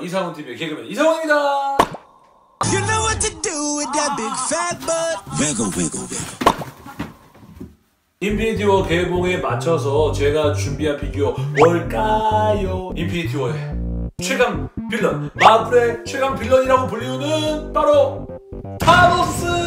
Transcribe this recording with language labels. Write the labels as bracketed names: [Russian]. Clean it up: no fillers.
[Korean] 이상훈 TV의 개그맨 이상훈입니다. [English] You know what to do with that big fat butt. Wiggle, wiggle, wiggle. [Korean] 인피니티 워 개봉에 맞춰서 제가 준비한 피규어 뭘까요? 인피니티 워의 최강 빌런, 마블의 최강 빌런이라고 불리우는 바로 타노스!